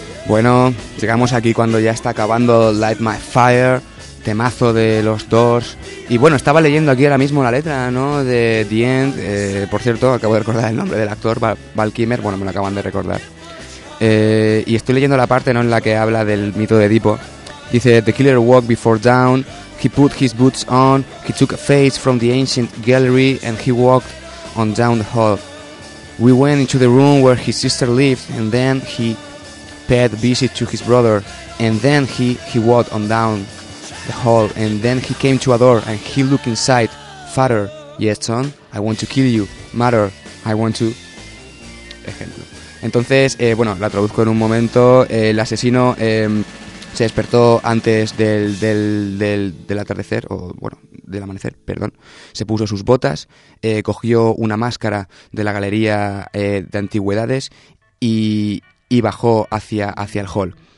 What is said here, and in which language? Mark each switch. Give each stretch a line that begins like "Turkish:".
Spanish: Bueno, llegamos aquí cuando ya está acabando Light My Fire, temazo de los Doors. Y bueno, estaba leyendo aquí ahora mismo la letra, ¿no?, de The End. Por cierto, acabo de recordar el nombre del actor, Val Kilmer, bueno, me lo acaban de recordar. Y estoy leyendo la parte, ¿no?, en la que habla del mito de Edipo. Dice:
English: The killer walked before dawn, he put his boots on, he took a face from the ancient gallery and he walked on down the hall. We went into the room where his sister lived and then he paid visit to his brother, and then he walked on down the hall, and then he came to a door and he looked inside. Father, yes, son, I want to kill you. Mother, I want to.
Spanish: Ejemplo. Entonces, bueno, la traduzco en un momento. El asesino se despertó antes del atardecer, o bueno, del amanecer, perdón. Se puso sus botas, cogió una máscara de la galería de antigüedades y bajó hacia el hall.